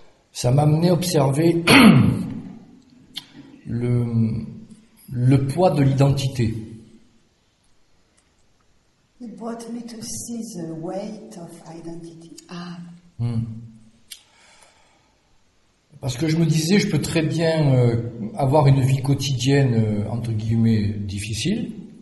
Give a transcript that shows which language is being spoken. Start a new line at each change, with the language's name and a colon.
French: ça m'a amené à observer le poids de l'identité.
English: It brought me to see the weight of identity. Ah.
French: Parce que je me disais, je peux très bien avoir une vie quotidienne entre guillemets difficile.